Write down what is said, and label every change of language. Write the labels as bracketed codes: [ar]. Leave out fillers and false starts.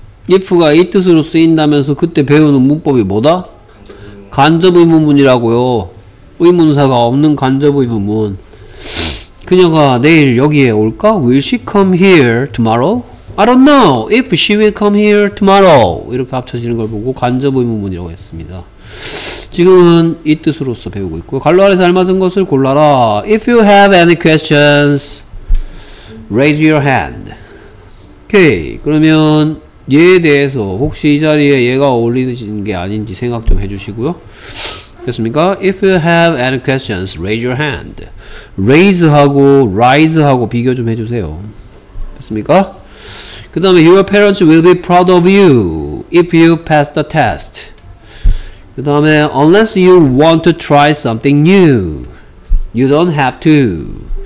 [ko] if가 이 뜻으로 쓰인다면서 그때 배우는 문법이 뭐다? 간접의문문이라고요. 의문사가 없는 간접의문문. 그녀가 내일 여기에 올까? [en] Will she come here tomorrow? I don't know if she will come here tomorrow. [ko] 이렇게 합쳐지는 걸 보고 간접의문문이라고 했습니다. 지금은 이 뜻으로서 배우고 있고요. 갈로 아래 잘 맞은 것을 골라라. [en] If you have any questions, raise your hand. [ko] 오케이. 그러면 얘에 대해서 혹시 이 자리에 얘가 어울리는 게 아닌지 생각 좀 해주시고요. 됐습니까? [en] If you have any questions, raise your hand. [ko] Raise하고 rise하고 비교 좀 해주세요. 됐습니까? 그 다음에 [en] Your parents will be proud of you if you pass the test. [ko] 그 다음에 [en] Unless you want to try something new, you don't have to.